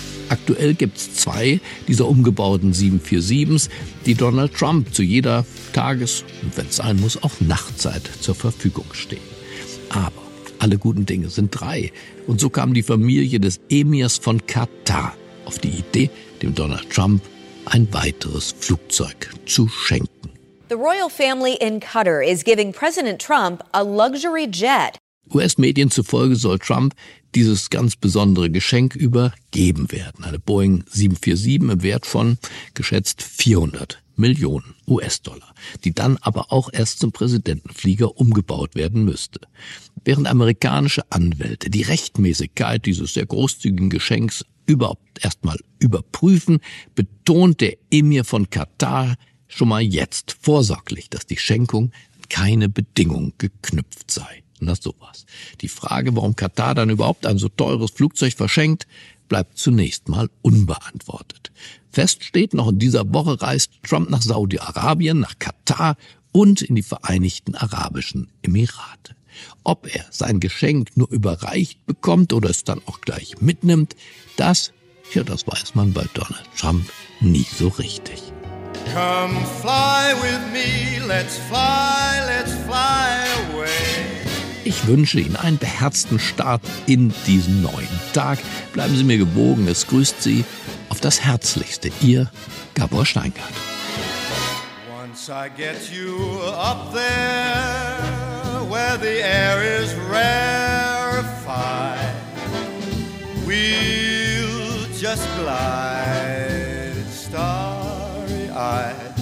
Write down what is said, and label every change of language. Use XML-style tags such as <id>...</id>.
<de>Aktuell gibt es zwei dieser umgebauten 747s, die Donald Trump zu jeder Tages- und wenn es sein muss, auch Nachtzeit zur Verfügung stehen. Aber alle guten Dinge sind drei. Und so kam die Familie des Emirs von Katar auf die Idee, dem Donald Trump ein weiteres Flugzeug zu schenken.</de> <en>The royal family in Qatar is giving President Trump a luxury jet.</en> <de>US-Medien zufolge soll Trump dieses ganz besondere Geschenk übergeben werden. Eine Boeing 747 im Wert von geschätzt 400 Millionen US-Dollar, die dann aber auch erst zum Präsidentenflieger umgebaut werden müsste. Während amerikanische Anwälte die Rechtmäßigkeit dieses sehr großzügigen Geschenks überhaupt erstmal überprüfen, betont der Emir von Katar schon mal jetzt vorsorglich, dass die Schenkung an keine Bedingung geknüpft sei. Na sowas. Die Frage, warum Katar dann überhaupt ein so teures Flugzeug verschenkt, bleibt zunächst mal unbeantwortet. Fest steht, noch in dieser Woche reist Trump nach Saudi-Arabien, nach Katar und in die Vereinigten Arabischen Emirate. Ob er sein Geschenk nur überreicht bekommt oder es dann auch gleich mitnimmt, das weiß man bei Donald Trump nie so richtig.</de> <en>Come fly with me, let's fly away.</en> <de>Ich wünsche Ihnen einen beherzten Start in diesen neuen Tag. Bleiben Sie mir gewogen, es grüßt Sie auf das Herzlichste, Ihr Gabor Steingart.</de> <en>Once I get you up there, where the air is rarefied, we'll just glide starry-eyed.</en>